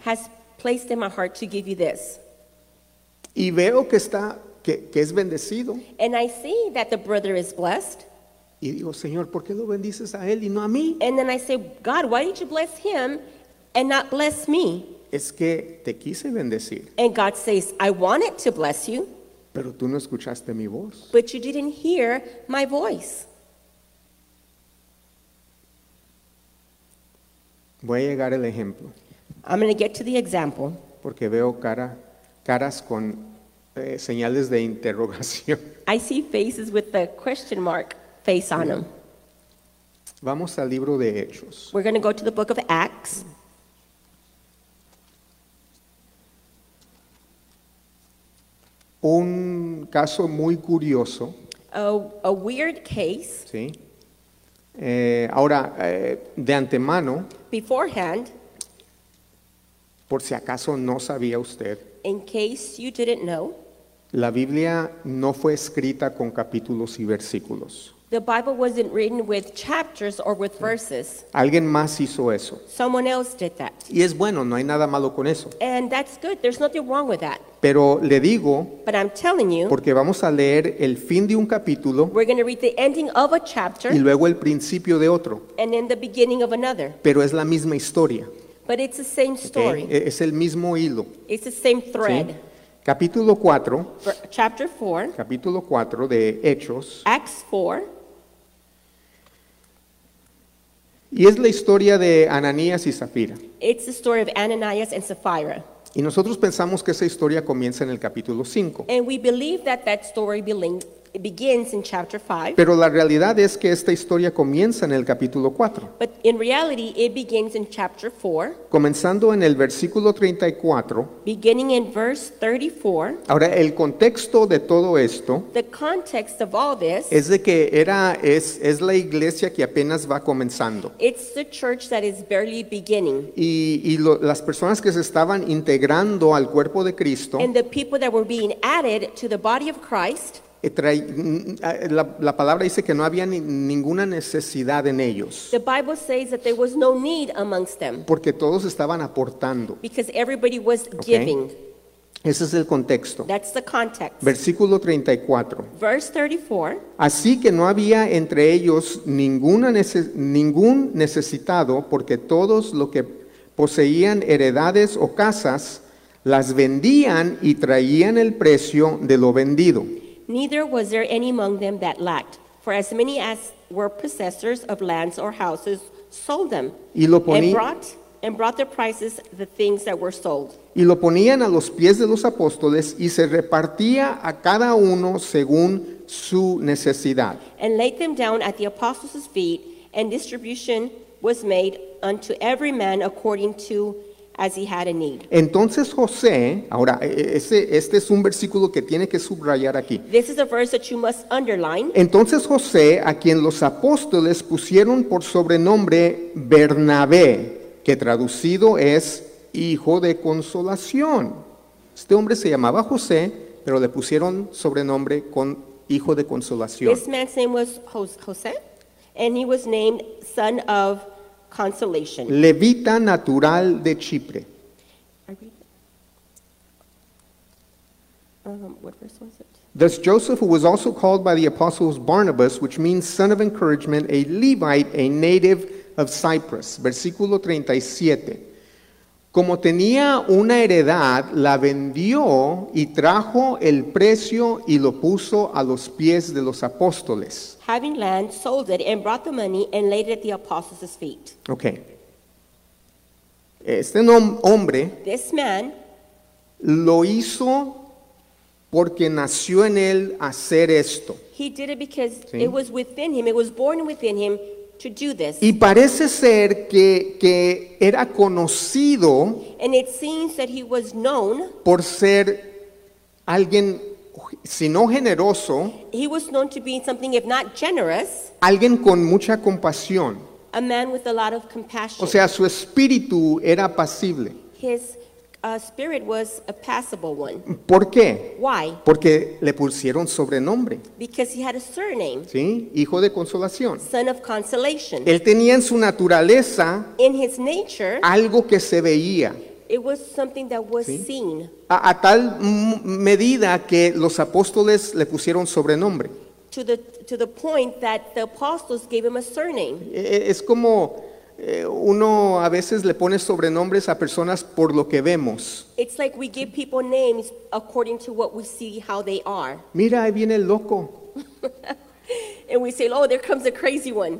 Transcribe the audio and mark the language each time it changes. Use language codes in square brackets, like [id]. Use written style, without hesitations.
[en] God has placed in my heart to give you this. [es] Y veo que está, que es bendecido. [en] And I see that the brother is blessed. [es] Y digo, Señor, ¿por qué lo bendices a él y no a mí? [en] And then I say, God, why did you bless him and not bless me? [es] Es que te quise bendecir. [en] And God says, I wanted to bless you. [es] Pero tú no escuchaste mi voz. [en] But you didn't hear my voice. [es] Voy a llegar al ejemplo. [en] I'm going to get to the example. [es] Porque veo caras con señales de interrogación. [en] I see faces with the question mark face on them. [es] Vamos al libro de Hechos. [en] We're going to go to the book of Acts. [es] Un caso muy curioso. [en] A weird case. [es] Sí. Ahora, de antemano. [en] Beforehand. [es] Por si acaso no sabía usted. [en] In case you didn't know. [es] La Biblia no fue escrita con capítulos y versículos. [en] The Bible wasn't written with chapters or with verses. [es] Alguien más hizo eso. [en] Someone else did that. [es] Y es bueno, no hay nada malo con eso. [en] And that's good. There's nothing wrong with that. [es] Pero le digo, [en] but I'm telling you, [es] porque vamos a leer el fin de un capítulo, [en] we're going to read the ending of a chapter, [es] y luego el principio de otro. [en] And then the beginning of another. [es] Pero es la misma historia. [en] But it's the same story. [es] Okay. Es el mismo hilo. [en] It's the same thread. [es] ¿Sí? Capítulo 4. [en] Chapter 4. [es] Capítulo 4 de Hechos. [en] Acts 4. [es] Y es la historia de Ananías y Zafira. [en] It's the story of Ananias and Sapphira. [es] Y nosotros pensamos que esa historia comienza en el capítulo 5. [en] And we believe that that story begins in chapter 5. [es] Pero la realidad es que esta historia comienza en el capítulo 4. [en] But in reality, it begins in chapter 4. [es] Comenzando en el versículo 34. [en] Beginning in verse 34. [es] Ahora, el contexto de todo esto, [en] the context of all this, [es] es de que es la iglesia que apenas va comenzando. [en] It's the church that is barely beginning. [es] Y las personas que se estaban integrando al cuerpo de Cristo, [en] and the people that were being added to the body of Christ, [es] La palabra dice que no había ninguna necesidad en ellos. [en] The Bible says that there was no need amongst them. [es] Porque todos estaban aportando. [en] Because everybody was giving. [es] Okay. Ese es el contexto. [en] That's the context. [es] Versículo 34. [en] Verse 34. [es] Así que no había entre ellos ningún necesitado, porque todos lo que poseían heredades o casas, las vendían y traían el precio de lo vendido. [en] Neither was there any among them that lacked, for as many as were possessors of lands or houses sold them, and brought their prices the things that were sold. [es] Y lo ponían a los pies de los apóstoles, y se repartía a cada uno según su necesidad. [en] And laid them down at the apostles' feet, and distribution was made unto every man according to as he had a need. [es] Entonces José, ahora este es un versículo que tiene que subrayar aquí. [en] This is a verse that you must underline. [es] Entonces José, a quien los apóstoles pusieron por sobrenombre Bernabé, que traducido es hijo de consolación. Este hombre se llamaba José, pero le pusieron sobrenombre con hijo de consolación. [en] This man's name was José, and he was named son of consolation. [es] Levita natural de Chipre. [en] What verse was it? Thus Joseph, who was also called by the apostles Barnabas, which means son of encouragement, a Levite, a native of Cyprus. [es] Versículo 37. Como tenía una heredad, la vendió y trajo el precio y lo puso a los pies de los apóstoles. [en] Having land, sold it and brought the money and laid it at the apostles' feet. [es] Okay. Este hombre, [en] this man, [es] lo hizo porque nació en él hacer esto. [en] He did it because [es] ¿sí? [en] It was within him, it was born within him to do this. [es] Y parece ser que era conocido, [en] and it seems that he was known, [es] por ser alguien, si no generoso, [en] he was known to be something if not generous, [es] alguien con mucha compasión, [en] a man with a lot of compassion. [es] O sea, su espíritu era pacible. [en] His spirit was a passable one. [es] ¿Por qué? [en] Why? [es] Porque le pusieron sobrenombre. [en] Because he had a surname. [es] ¿Sí? Hijo de consolación. [en] Son of consolation. [es] Él tenía en su naturaleza, [en] in his nature, [es] algo que se veía. [en] It was something that was, [es] ¿sí?, [en] seen. [es] A tal medida que los apóstoles le pusieron sobrenombre. [en] To the point that the apostles gave him a surname. [es] Es como uno a veces le pone sobrenombres a personas por lo que vemos. [en] It's like we give people names according to what we see how they are. [es] Mira, ahí viene el loco. [en] And we say, oh, there comes a crazy one.